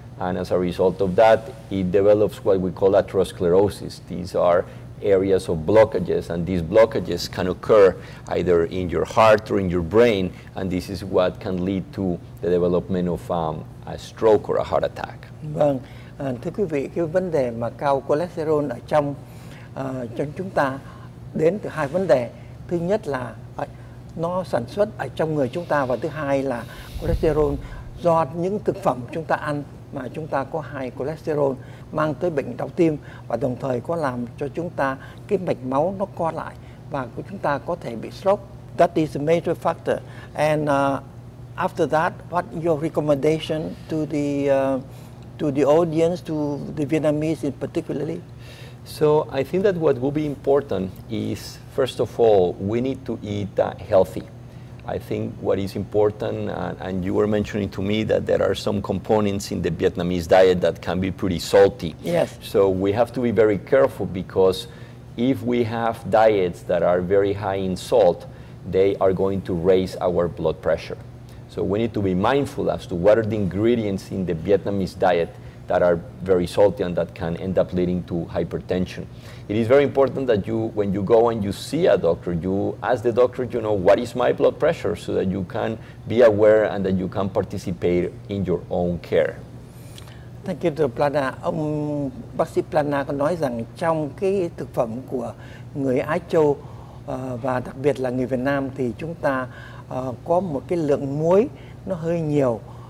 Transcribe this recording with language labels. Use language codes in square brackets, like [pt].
[en] And as a result of that, it develops what we call atherosclerosis. These are areas of blockages, and these blockages can occur either in your heart or in your brain, and this is what can lead to the development of a stroke or a heart attack. [vi] Vâng, thưa quý vị, cái vấn đề mà cao cholesterol ở trong trong chúng ta đến từ hai vấn đề. Thứ nhất là nó sản xuất ở trong người chúng ta, và thứ hai là cholesterol do những thực phẩm chúng ta ăn mà chúng ta có hai cholesterol mang tới bệnh đau tim, và đồng thời có làm cho chúng ta cái mạch máu nó co lại và chúng ta có thể bị stroke. [en] That is a major factor. And after that, what your recommendation to the audience, to the Vietnamese in particularly? So I think that what will be important is, first of all, we need to eat healthy. I think what is important, and you were mentioning to me that there are some components in the Vietnamese diet that can be pretty salty. Yes. So we have to be very careful, because if we have diets that are very high in salt, they are going to raise our blood pressure. So we need to be mindful as to what are the ingredients in the Vietnamese diet that are very salty and that can end up leading to hypertension. It is very important that you, when you go and you see a doctor, you ask the doctor, you know, what is my blood pressure, so that you can be aware and that you can participate in your own care. Thank you, Dr. Plana. [vi] Ông bác sĩ Plana có nói rằng trong cái thực phẩm của người Á Châu và đặc biệt là người Việt Nam thì chúng ta có một cái lượng muối nó hơi nhiều.